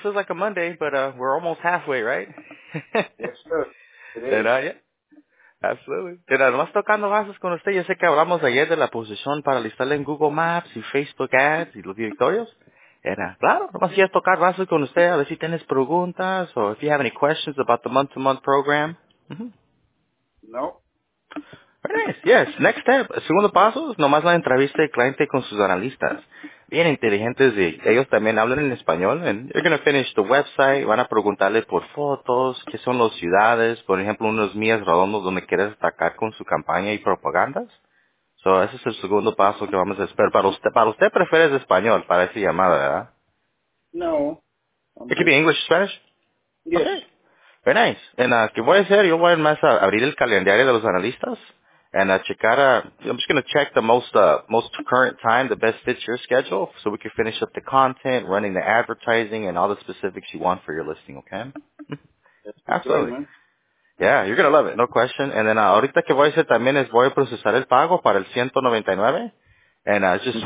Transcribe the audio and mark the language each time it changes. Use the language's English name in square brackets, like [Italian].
[English] Feels like a Monday, but we're almost halfway, right? Yes, sir. It is. Absolutely. [Spanish] Pero más tocando bases con usted, yo sé que hablamos ayer de la posición para listarle en Google Maps y Facebook Ads y los directorios. Era, claro, nomás quiero tocar bases con usted, a ver si tienes preguntas o [English] if you have any questions about the month-to-month program. [Spanish] No. [English] Very nice. Yes, next step. [Spanish] Segundo paso, nomás la entrevista del cliente con sus analistas. Bien inteligentes y ellos también hablan en español. [English] And you're going to finish the website. [Spanish] Van a preguntarle por fotos, qué son las ciudades, por ejemplo, unos millas redondos donde quieres destacar con su campaña y propagandas. So, ese es el segundo paso que vamos a esperar. Para usted prefieres español para esa llamada, ¿verdad? No. [English] It could be English, Spanish? Yes. Okay. Very nice. And [Spanish] ¿qué voy a hacer? Yo voy más a abrir el calendario de los analistas. [English] And I'm just going to check the most current time, the best fits your schedule, so we can finish up the content, running the advertising, and all the specifics you want for your listing, okay? Absolutely. Good, yeah, you're going to love it, no question. And then [Spanish] ahorita que voy a hacer también es voy a procesar el pago para el 199, [English] and it's just okay.